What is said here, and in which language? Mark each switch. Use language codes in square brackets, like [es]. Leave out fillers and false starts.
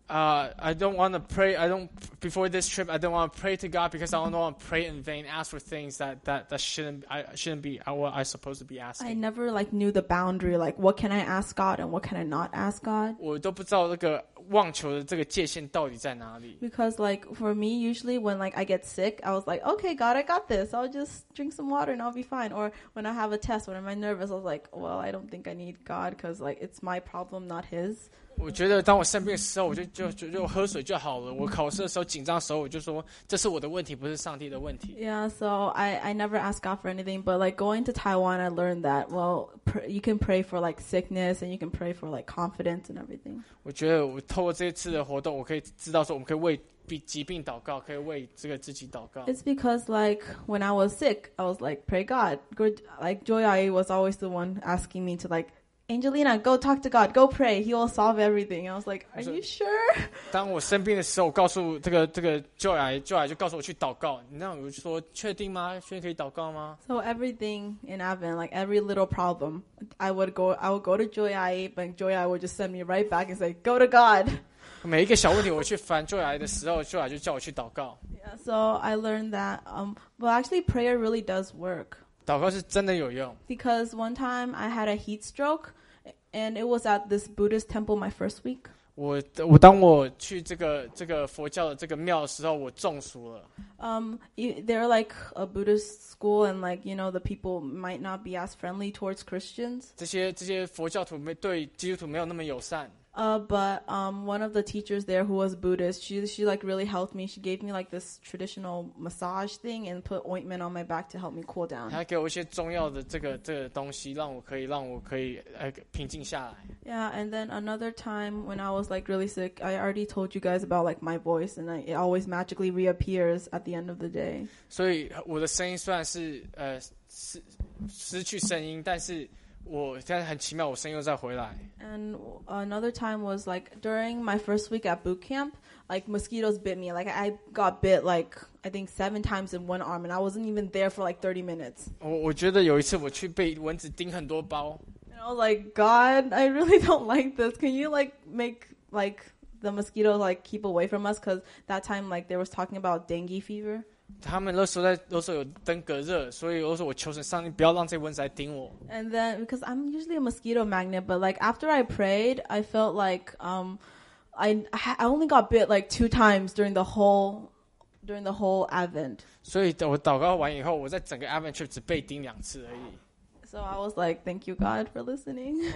[en] I don't want to pray. I don't. Before this trip, I don't want to pray to God because I don't want to pray in vain, ask for things that shouldn't be what I supposed to be asking. I never like knew the boundary, like what can I ask God and what can I not ask God. [zh] 我都不知道那个妄求的这个界限到底在哪里。 [en] Because like for me, usually when like I get sick, I was like, okay, God, I got this. I'll just drink some water and I'll be fine. Or when I have a test, when am I nervous, I was like, well, I don't think I need God because like it's my problem, not His. [zh] 我觉得当我生病的时候，我就喝水就好了。我考试的时候紧张的时候，我就说这是我的问题，不是上帝的问题。 [en] Yeah, so I never ask God for anything, but like going to Taiwan, I learned that well, you can pray for like sickness and you can pray for like confidence and everything. [zh] 我觉得我透过这次的活动，我可以知道说我们可以为疾病祷告，可以为这个自己祷告。 [en] It's because like when I was sick, I was like pray God. Good, like Joy Ai was always the one asking me to like. Angelina, go talk to God. Go pray. He will solve everything. I was like, "Are you sure?" [zh] 当我生病的时候，我告诉这个 Joy 就告诉我去祷告。那我就说，确定吗？确定可以祷告吗 [en] ？So everything in Advent, like every little problem, I would go to Joy Ai, but Joy Ai would just send me right back and say, "Go to God." [zh] 每一个小问题，我去烦 Joy Ai 的时候，Joy Ai 就叫我去祷告。 [en] Yeah, so I learned that. Well, actually, prayer really does work. [zh] 祷告是真的有用。 [en] Because one time I had a heat stroke, and it was at this Buddhist temple my first week. [zh] 我当我去这个佛教的这个庙的时候，我中暑了。 [en] They're like a Buddhist school, and like you know, the people might not be as friendly towards Christians. [zh] 这些佛教徒没对基督徒没有那么友善。 [en] But one of the teachers there who was Buddhist, she like really helped me. She gave me like this traditional massage thing and put ointment on my back to help me cool down. [zh] 她给我一些中药的这个东西，让我可以平静下来。 [en] Yeah, and then another time when I was like really sick, I already told you guys about like my voice, and it always magically reappears at the end of the day. [zh] 所以我的声音虽然是失去声音，但是。我现在很奇妙，我声音又再回来。 [en] And another time was like during my first week at boot camp, like mosquitoes bit me. Like I got bit like I think 7 times in one arm, and I wasn't even there for like 30 minutes. [zh] 我觉得有一次我去被蚊子叮很多包。 [en] And I was like, God, I really don't like this. Can you like make like the mosquitoes like keep away from us? Because that time like they was talking about dengue fever. [zh] 他们那时候有登革热，所以我说我求神上帝不要让这蚊子来叮我。 [en] And then because I'm usually a mosquito magnet, but like after I prayed, I felt like I only got bit like 2 times during the whole Advent. [zh] 所以我祷告完以后，我在整个 Advent trip 只被叮两次而已。 [en] So I was like, thank you, God, for listening.